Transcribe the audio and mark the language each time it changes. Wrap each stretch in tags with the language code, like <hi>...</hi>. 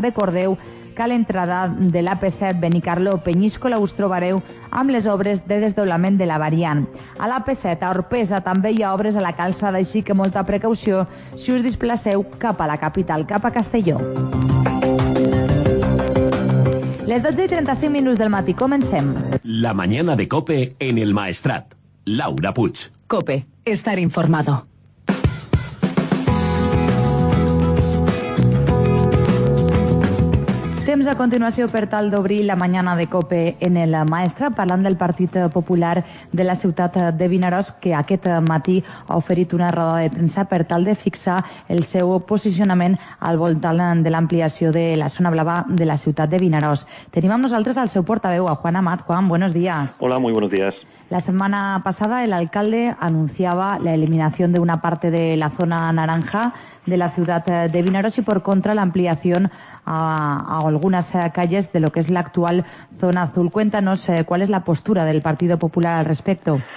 <ca>Recordeu que a l'entrada de l'AP7 Benicarlo-Peníscola us trobareu amb les obres de desdoblament de la variant. A l'AP7 a Orpesa també hi ha obres a la calçada, així que molta precaució si us displaceu cap a la capital, cap a Castelló. Les 12:35 minuts del matí, comencem.</ca> <es>La mañana de COPE en el Maestrat. Laura Puig. COPE, estar informado.</es> <ca>Temps a continuació per tal d'obrir la mañana de COPE en el Maestrat, parlant del Partit Popular de la ciutat de Vinaròs, que aquest matí ha oferit una roda de premsa per tal de fixar el seu posicionament al voltant de l'ampliació de la zona blava de la ciutat de Vinaròs. Tenim amb nosaltres el seu portaveu, a Juan Amat.</ca> <es>Juan, buenos días. Hola, muy buenos días. La semana pasada el alcalde anunciaba la eliminación de una parte de la zona naranja de la ciudad de Vinaròs y por contra la ampliación a algunas calles de lo que es la actual zona azul. Cuéntanos cuál es la postura del Partido Popular al respecto.</es>